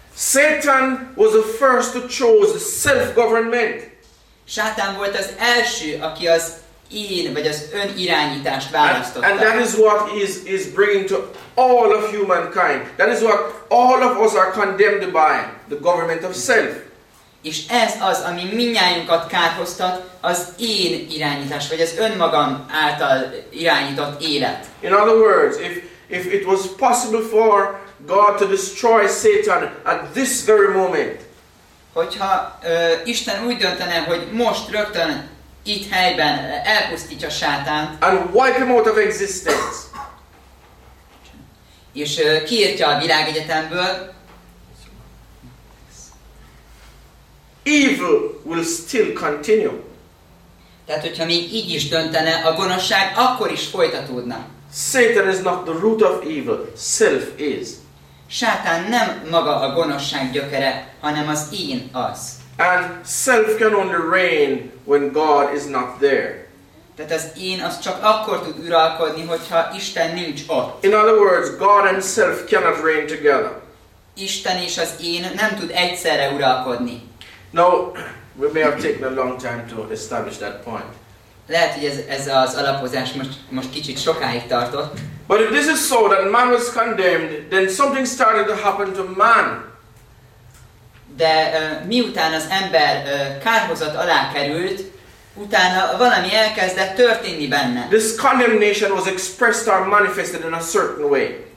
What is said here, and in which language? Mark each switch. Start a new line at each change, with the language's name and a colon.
English: Satan was the first to choose self-government.
Hungarian: Sátán volt az első, aki az én vagy az önirányítást választotta.
English: And that is what is bringing to all of humankind. That is what all of us are condemned by, the government of self.
Hungarian: És ez az, ami mindnyájunkat kárhoztat, az én irányítás vagy az önmagam által irányított élet.
English: In other words, if it was possible for God to destroy Satan at this very moment.
Hungarian: Hogyha Isten úgy döntene, hogy most rögtön itt helyben elpusztítja Sátánt.
English: And wipe him out of existence.
Hungarian: És kiirtja a világegyetemből.
English: Evil will still continue.
Hungarian: Tehát hogyha még így is döntene, a gonoszság akkor is folytatódna.
English: Satan is not the root of evil, self is.
Hungarian: Sátán nem maga a gonoszság gyökere, hanem az én az.
English: And self can only reign when God is not there.
Hungarian: Tehát az én az csak akkor tud uralkodni, hogyha Isten nincs ott.
English: In other words, God and self cannot reign together.
Hungarian: Isten és az én nem tud egyszerre uralkodni.
English: Now, we may have taken a long time to establish that point.
Hungarian: Lehet, hogy ez az alapozás most kicsit sokáig tartott.
English: But if this is so, that man was condemned, then something started to happen to man.
Hungarian: De miután az ember kárhozat alá került, utána valami elkezdett történni benne.
English: This condemnation was expressed or manifested in a certain way.